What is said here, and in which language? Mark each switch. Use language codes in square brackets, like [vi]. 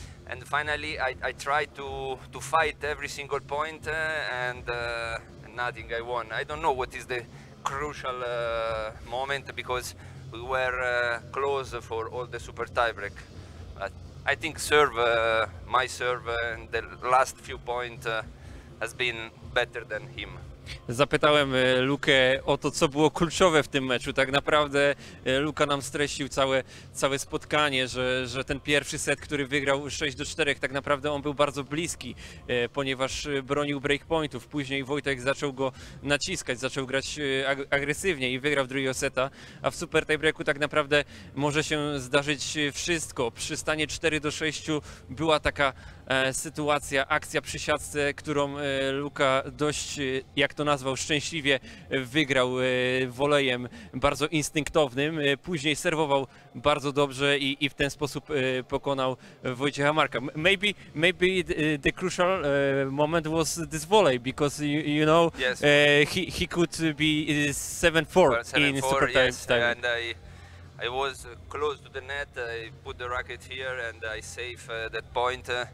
[en] And finally, I tried to fight every single point and nothing, I won. I don't know what is the crucial moment because we were close for all the super tiebreak. I think serve, my serve and the last few point has been better than him. [pl] Zapytałem Lukę o to, co było kluczowe w tym meczu. Tak naprawdę Luka nam streścił całe spotkanie, że ten pierwszy set, który wygrał 6-4, tak naprawdę on był bardzo bliski, ponieważ bronił breakpointów. Później Wojtek zaczął go naciskać, zaczął grać agresywnie i wygrał drugiego seta. A w super tiebreaku tak naprawdę może się zdarzyć wszystko. Przy stanie 4-6 była taka sytuacja, akcja przy siatce, którą Luka dość, jak to nazwał, szczęśliwie wygrał wolejem bardzo instynktownym. Później serwował bardzo dobrze i w ten sposób pokonał Wojciecha Marka. [en] Maybe the crucial moment was this volley, because you know, yes. he could be 7-4 in super time. And I was close to the net, I put the racket here and I save that point.